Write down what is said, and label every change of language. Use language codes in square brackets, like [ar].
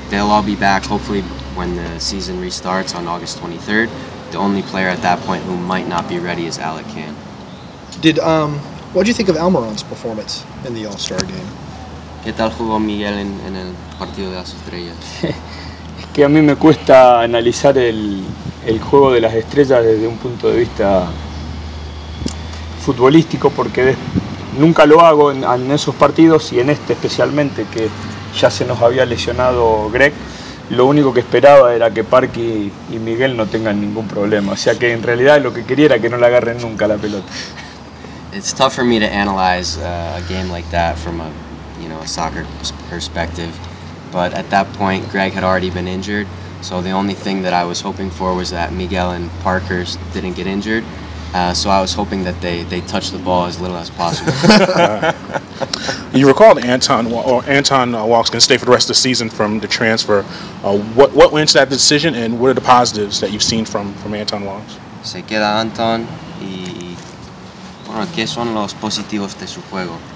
[en] They'll all be back hopefully when the season restarts on August 23rd. The only player at that point who might not be ready is Alec Kahn. What do you think of Almirón's performance in the All-Star game? [es] ¿Qué tal jugó Miguel en el partido de las estrellas? Es que a mí me cuesta analizar el juego de las estrellas desde un punto de vista futbolístico porque nunca lo hago en esos partidos y en este especialmente, que ya se nos había lesionado Greg. Lo único que esperaba era que Parky y Miguel no tengan ningún problema. O sea que en realidad lo que quería era que no le agarren nunca la pelota. [en] It's tough for me to analyze a game like that from a soccer perspective, but at that point Greg had already been injured, so the only thing that I was hoping for was that Miguel and Parker didn't get injured, so I was hoping that they touch the ball as little as possible. You recalled Anton Walks can stay for the rest of the season from the transfer. What went into that decision, and what are the positives that you've seen from Anton Walks? [es] Se queda Anton y bueno, ¿qué son los positivos de su juego?